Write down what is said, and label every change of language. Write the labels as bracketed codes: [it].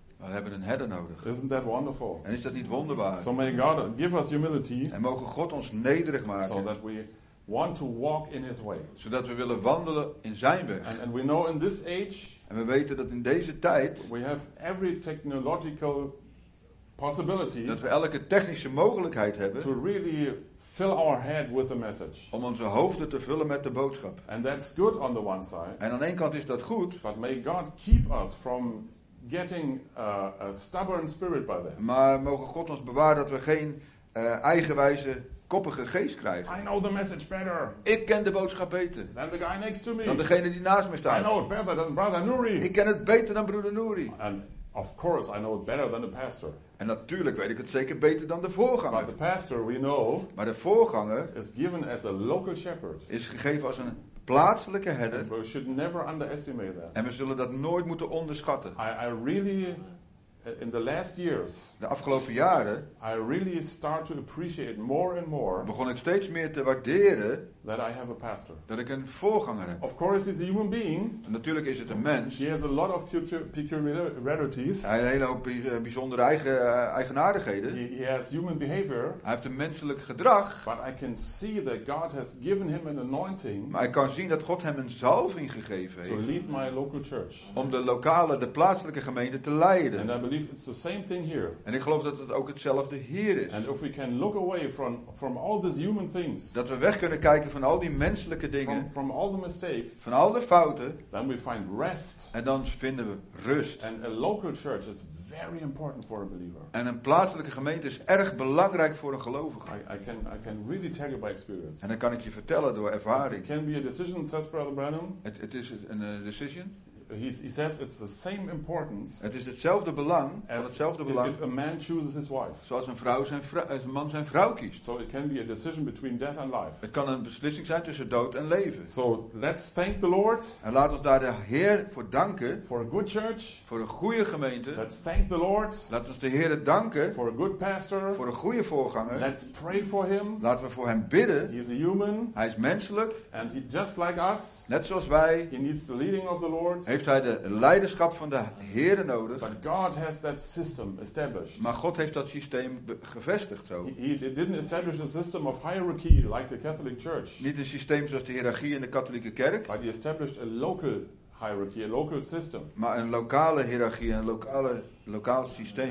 [nl] We hebben een herder nodig. [en] Isn't that wonderful? [nl] En is dat niet wonderbaar? [en] So may God give us humility. [nl] En mogen God ons nederig maken. [en] So that we want to walk in his way. [nl] Zodat we willen wandelen in zijn weg. [en] And we know in this age. [nl] En we weten dat in deze tijd. [en] We have every technological possibility [nl] dat we elke technische mogelijkheid hebben [en] to really fill our head with the message. [nl] Om onze hoofden te vullen met de boodschap. [en] And that's good on the one side. [nl] En aan één kant is dat goed. [en] But may God keep us from getting a stubborn spirit by that. [nl] Maar mogen God ons bewaren dat we geen eigenwijze koppige geest krijgen. [en] I know the message better. [nl] Ik ken de boodschap beter. [en] Than the guy next to me. [nl] Dan degene die naast me staat. [en] I know it better than brother Nuri. [nl] Ik ken het beter dan broeder Nuri. [en] And of course I know it better than the pastor. [nl] En natuurlijk weet ik het zeker beter dan de voorganger. [en] But the pastor we know. [nl] Maar de voorganger [en] is given as a local shepherd. [nl] Is gegeven als een plaatselijke herder. [en] And we should never underestimate that. [nl] En we zullen dat nooit moeten onderschatten. [en] I really in the last years, [nl] de afgelopen jaren, [en] I really start to appreciate more and more, [nl] begon ik steeds meer te waarderen [en] that I have a pastor, [nl] dat ik een voorganger heb. [en] Of course, he's a human being. [nl] En natuurlijk is het een mens. [en] He has a lot of peculiarities. [nl] Hij heeft een hele hoop bijzondere eigenaardigheden. [en] He has human behavior. [nl] Hij heeft een menselijk gedrag. [en] But I can see that God has given him an anointing. [nl] Maar ik kan zien dat God hem een zalving gegeven heeft. [en] To lead my local church. [nl] Om de lokale, de plaatselijke gemeente te leiden. [en] And I believe it's the same thing here. [nl] En ik geloof dat het ook hetzelfde hier is. [en] And if we can look away from all these human things, [nl] dat we weg kunnen kijken van al die menselijke dingen, [en] from all the mistakes, [nl] van al de fouten, [en] then we find rest. [nl] En dan vinden we rust. [en] And a local church is very important for a believer. [nl] En een plaatselijke gemeente is erg belangrijk voor een gelovige. [en] I can really tell you by experience. [nl] En dan kan ik je vertellen door ervaring. [en] It can be a decision, says Brother Branham. It is a decision. He says it's the same importance. [nl] Het is hetzelfde belang, van hetzelfde belang. [en] If a man chooses his wife. [nl] Zoals een vrouw zijn een man zijn vrouw kiest. [en] So it can be a decision between death and life. [nl] Het kan een beslissing zijn tussen dood en leven. [en] So let's thank the Lord. [nl] En laat ons daar de Heer voor danken. [en] For a good church. [nl] Voor een goede gemeente. [en] Let's thank the Lord. [nl] Laat ons de Heer danken. [en] For a good pastor. [nl] Voor een goede voorganger. [en] Let's pray for him. [nl] Laten we voor hem bidden. [en] He's a human. [nl] Hij is menselijk. [en] And he just like us. [nl] Net zoals wij. [en] He needs the leading of the Lord. [nl] Heeft hij de leiderschap van de Heer nodig? [en] But God has that system established. [nl] Maar God heeft dat systeem gevestigd zo. [en] He didn't establish a system of hierarchy like the Catholic Church. [nl] Niet een systeem zoals de hiërarchie in de katholieke kerk. [en] But he established a local hierarchy, a local system. [nl] Maar een lokale hiërarchie, een lokaal systeem.